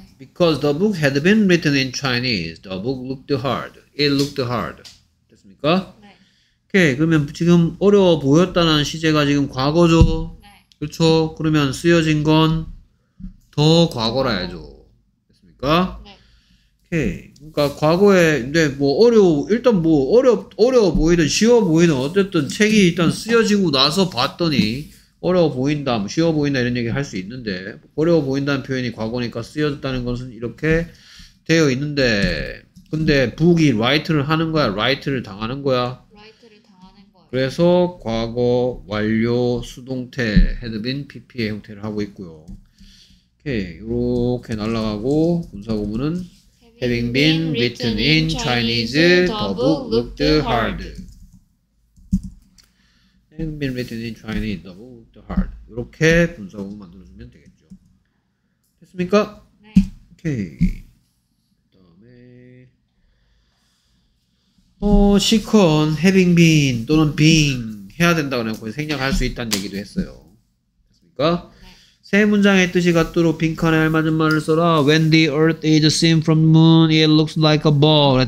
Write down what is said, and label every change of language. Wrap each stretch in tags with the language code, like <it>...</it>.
<en>Because the book had been written in Chinese, the book looked hard. It looked hard.</en> <ko>됐습니까? 네. 오케이. 그러면 지금 어려워 보였다는 시제가 지금 과거죠? 네. 그렇죠? 그러면 쓰여진 건 더 과거라 해야죠. 됐습니까? 네. 오케이. 그러니까 과거에, 근데 뭐 어려워, 일단 뭐 어려워 보이든 쉬워 보이든 어쨌든 책이 일단 쓰여지고 나서 봤더니 어려워 보인다, 쉬워 보인다 이런 얘기 할 수 있는데 어려워 보인다는 표현이 과거니까 쓰여졌다는 것은 이렇게 되어 있는데 근데 북이 write를 하는 거야? write를 당하는 거야? write를 당하는 거야. 그래서 과거, 완료, 수동태, had been, PP의 형태를 하고 있고요. 오케이, 이렇게 날아가고 분사구문은</ko> <en>having been written in Chinese, the book looked hard. Having been written in Chinese, the book looked hard.</en> <ko>이렇게 분석을 만들어주면 되겠죠. 됐습니까? 네. 오케이. 그 다음에 시컨 having been 또는 being 해야 된다고 생략할 수 있다는 얘기도 했어요. 됐습니까? 네. 세 문장의 뜻이 같도록 빈칸에 알맞은 말을 써라.</ko> <en>When the earth is seen from the moon, it looks like a ball.</en>